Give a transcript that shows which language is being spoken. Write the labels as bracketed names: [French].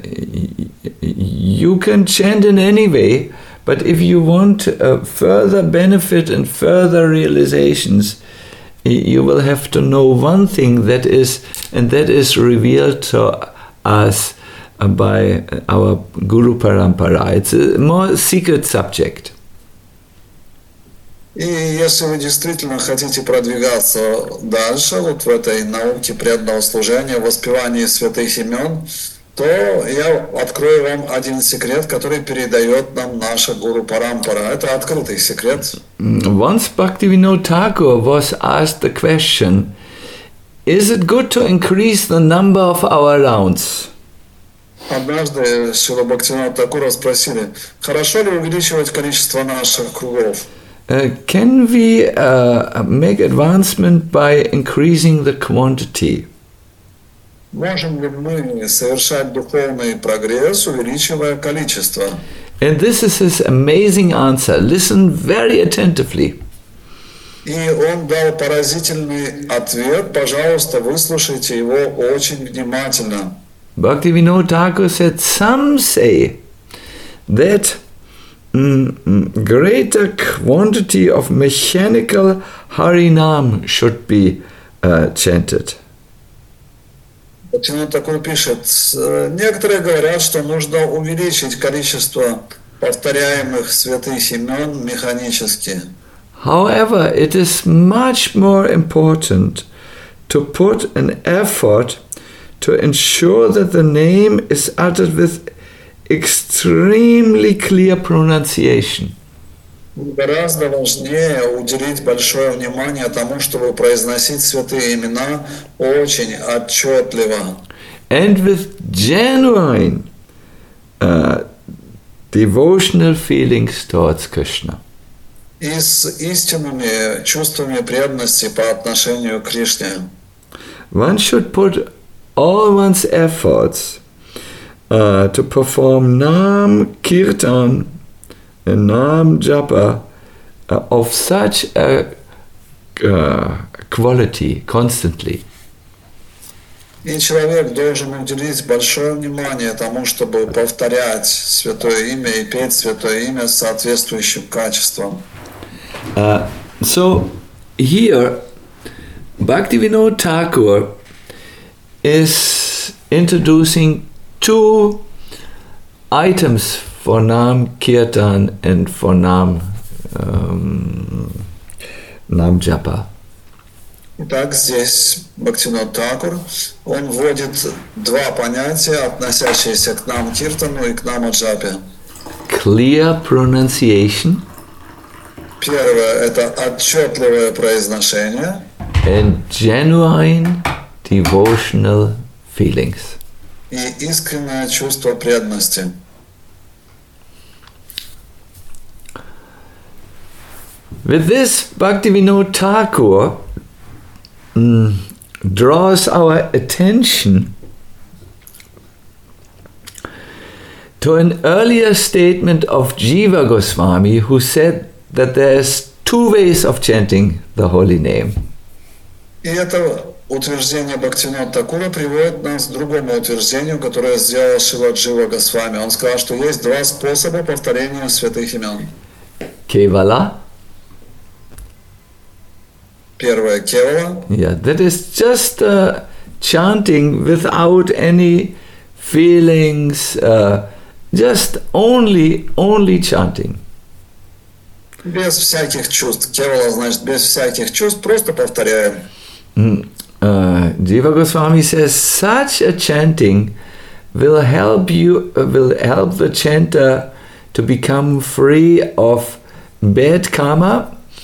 [English] You can chant in any way, but if you want further benefit and further realizations, you will have to know one thing, that is, and that is revealed to us by our Guru Parampara. It's a more secret subject. [Russian] И если вы действительно хотите продвигаться дальше вот в этой науке преданного служения, воспевании святых имен, то я открою вам один секрет, который передает нам наша Гуру Парампара. Это открытый секрет. [English] Once Bhaktivinoda Thakur was asked the question, is it good to increase the number of our rounds? [Russian] Однажды Шрила Бхактивинода Такура спросили, хорошо ли увеличивать количество наших кругов? [English] Can we make advancement by increasing the quantity? [Russian] Можем ли мы совершать духовный прогресс, увеличивая количество? [English] And this is his amazing answer. Listen very attentively. [Russian] И он дал поразительный ответ. Пожалуйста, выслушайте его очень внимательно. [English] Bhaktivinoda Thakur said, some say that greater quantity of mechanical Harinam should be chanted. [Russian] Почему такой пишет? Некоторые говорят, что нужно увеличить количество повторяемых святых имен механически. [English] However, it is much more important to put an effort to ensure that the name is uttered with extremely clear pronunciation. [Russian] Гораздо важнее уделить большое внимание тому, чтобы произносить святые имена очень отчетливо. [English] And with genuine devotional feelings towards Krishna. [Russian] И с истинными чувствами преданности по отношению к Кришне. [English] One should put all one's efforts to perform Nam Kirtan and Nam Japa of such a quality constantly. [Russian] И человек должен уделить большое внимание тому, чтобы повторять святое имя и петь святое имя с соответствующим качеством. [English] So here Bhaktivinoda Thakur is introducing two items for Nam Kirtan and for Nam Нам джапа. [Russian] Так, здесь Бхактинод Такур, он вводит два понятия, относящиеся к нам киртану и к нам джапе. [English] Clear pronunciation. [Russian] Первое – это отчетливое произношение. [English] And genuine devotional feelings. [Russian] И искреннее чувство преданности. [English] With this, Bhaktivinoda Thakur draws our attention to an earlier statement of Jiva Goswami, who said that there's two ways of chanting the holy name. [Russian] И это утверждение Бхактивинода Такура приводит нас к другому утверждению, которое сделал Шрила Джива Госвами. Он сказал, что есть два способа повторения святых имен. Кевала. Первое кевала. [English] Yeah, that is just chanting without any feelings, just only chanting. [Russian] Без всяких чувств. Кевала значит без всяких чувств, просто повторяем. [English] Jiva Goswami says such a chanting will help you, will help the chanter to become free of bad karma.